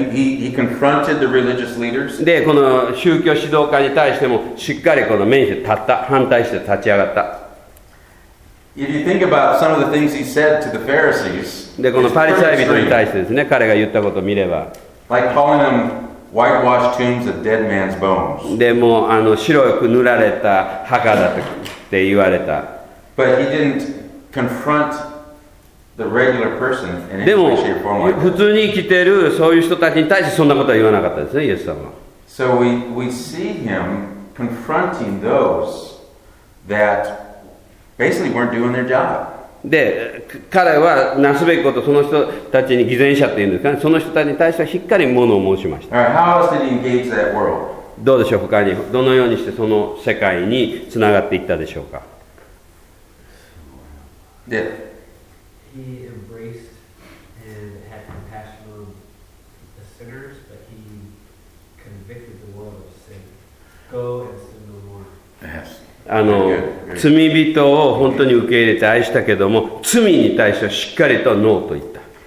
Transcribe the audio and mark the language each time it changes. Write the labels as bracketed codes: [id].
[en] He confronted the religious leaders. [ja] で、この宗教指導家に対してもしっかりこの面して立った、反対して立ち上がった。 [en] If you think about some of the things he said to the Pharisees, [ja] で、このパリサイ人に対してですね、彼が言ったことを見れば、 [en] like calling them whitewashed tombs of dead man's bones. [ja] で、もうあの白く塗られた墓だって言われた。 [en] But he didn't confrontThe regular person in [ja] でも普通に生きているそういう人たちに対してそんなことは言わなかったですね、イエス様は。 [en] So we see him confronting those that basically weren't doing their job. [ja] で、彼はなすべきことその人たちに偽善者っていうんですかね、その人たちに対してはしっかり物を申しました。 [en] Alright, how else did he engage that world? [ja] どうでしょう、他にどのようにしてその世界につながっていったでしょうか。で、 [en] He embraced and had compassion on the sinners, but he convicted the world of sin. Go and sin no more. Yes. [ja] あの、罪人を本当に受け入れて愛したけども、罪に対してはしっかりとノーと言った。